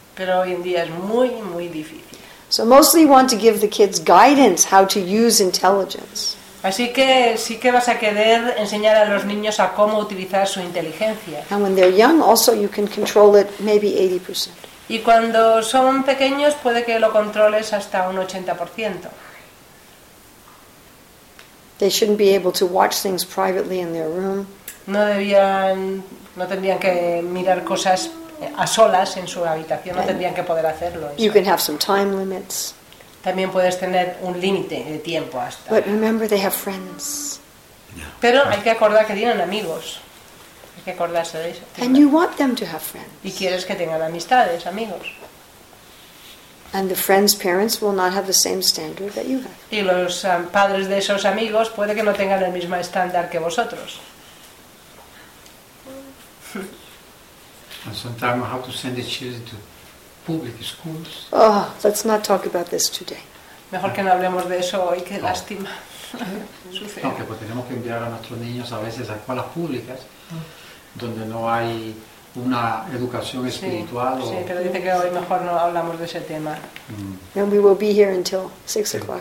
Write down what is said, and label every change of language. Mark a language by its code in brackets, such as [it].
[es] Pero hoy en día es muy, muy difícil. [en] So mostly want to give the kids guidance how to use intelligence. [es] Así que sí que vas a querer enseñar a los niños a cómo utilizar su inteligencia. [en] And when they're young, also you can control it maybe 80%. [es] Y cuando son pequeños, puede que lo controles hasta un 80%. [en] They shouldn't be able to watch things privately in their room. [es] No tendrían que mirar cosas a solas en su habitación. No tendrían que poder hacerlo. [en] You can have some time limits. [es] también puedes tener un límite de tiempo hasta. [en] But remember they have friends. [es] Pero hay que acordar que tienen amigos. Hay que acordarse de eso. [en] And you want them to have friends. [es] Y quieres que tengan amistades, amigos. [en] And the friends' parents will not have the same standard that you have. [es] Y los padres de esos amigos puede que no tengan el mismo estándar que vosotros. [en] And sometimes how to send the children to public schools. Oh, let's not talk about this today. [es] Mejor que no hablemos de eso hoy, qué lástima. No, que pues tenemos que enviar a nuestros niños a veces a escuelas públicas donde no hay una educación espiritual. Sí, o... sí, pero dice que hoy mejor no hablamos de ese tema. [en] And we will be here until 6 o'clock.